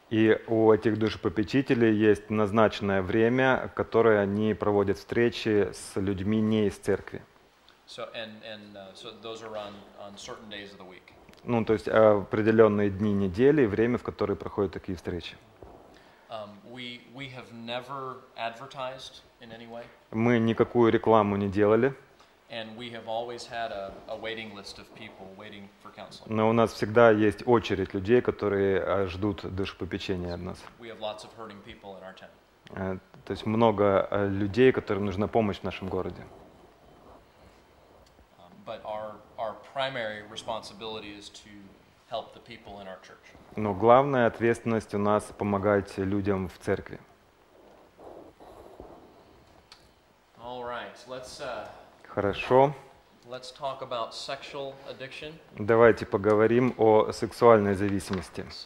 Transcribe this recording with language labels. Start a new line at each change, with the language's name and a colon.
Russian: И у этих душепопечителей есть назначенное время, которое они проводят встречи с людьми не из церкви.
English: So and so those are on certain days of the week.
Russian: Ну, то есть определенные дни недели, время, в которые проходят такие встречи.
English: We have never advertised in any way.
Russian: Мы никакую рекламу не делали.
English: And we have always had a waiting list of people waiting for counseling.
Russian: Но у нас всегда есть очередь людей, которые ждут душепопечения от нас.
English: We have lots of hurting people in our town.
Russian: То есть много людей, которым нужна помощь в нашем городе.
English: But our primary responsibility is to help the people in our church.
Russian: Но главная ответственность у нас — помогать людям в церкви.
English: All right,
Russian: Хорошо.
English: Let's talk about sexual addiction.
Russian: Давайте поговорим о сексуальной зависимости.